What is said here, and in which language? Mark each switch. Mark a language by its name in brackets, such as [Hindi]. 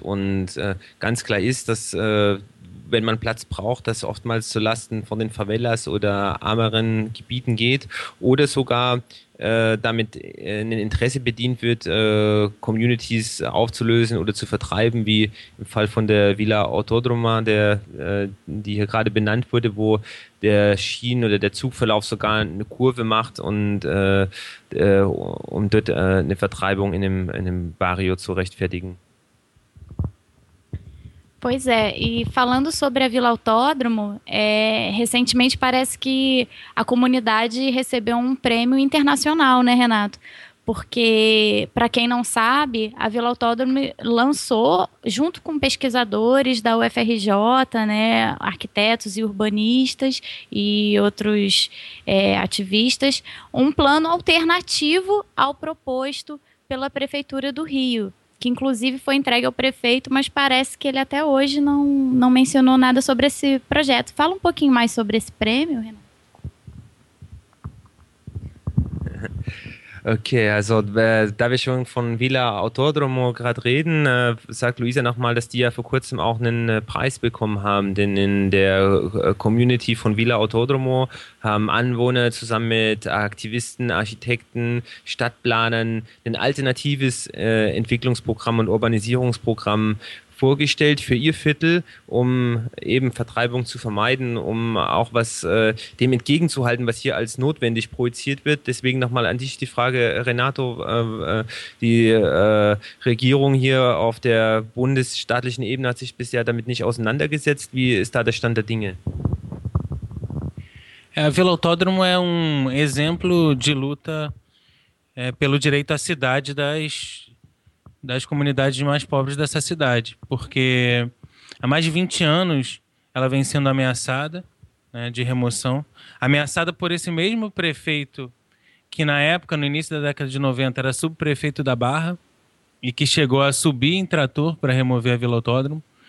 [German] Und ganz klar ist, dass wenn man Platz braucht, das oftmals zu Lasten von den Favelas oder armeren Gebieten geht oder sogar damit ein Interesse bedient wird, Communities aufzulösen oder zu vertreiben, wie im Fall von der Villa Autodroma, die hier gerade benannt wurde, wo der Schienen- oder der Zugverlauf sogar eine Kurve macht und um dort eine Vertreibung in einem Barrio zu rechtfertigen. [Portuguese] Pois é, e falando sobre a Vila Autódromo, recentemente parece que a comunidade recebeu um prêmio internacional, né, Renato? Porque, para quem não sabe, a Vila Autódromo lançou, junto com pesquisadores da UFRJ, né, arquitetos e urbanistas e outros ativistas, um plano alternativo ao proposto pela Prefeitura do Rio, que inclusive foi entregue ao prefeito, mas parece que ele até hoje não mencionou nada sobre esse projeto. Fala um pouquinho mais sobre esse prêmio, Renato. [German] Okay, also da wir schon von Villa Autodromo gerade reden, sagt Luisa nochmal, dass die ja vor kurzem auch einen Preis bekommen haben, denn in der Community von Villa Autodromo haben Anwohner zusammen mit Aktivisten, Architekten, Stadtplanern ein alternatives Entwicklungsprogramm und Urbanisierungsprogramm vorgestellt für ihr Viertel, um eben Vertreibung zu vermeiden, um auch was dem entgegenzuhalten, was hier als notwendig projiziert wird. Deswegen nochmal an dich die Frage, Renato, die Regierung hier auf der bundesstaatlichen Ebene hat sich bisher damit nicht auseinandergesetzt. Wie ist da der Stand der Dinge? [Portuguese] A Vila Autódromo é um exemplo de luta pelo direito à cidade das comunidades mais pobres dessa cidade, porque há mais de 20 anos ela vem sendo ameaçada, né, de remoção, ameaçada por esse mesmo prefeito que na época, no início da década de 90, era subprefeito da Barra e que chegou a subir em trator para remover a Vila Autódromo,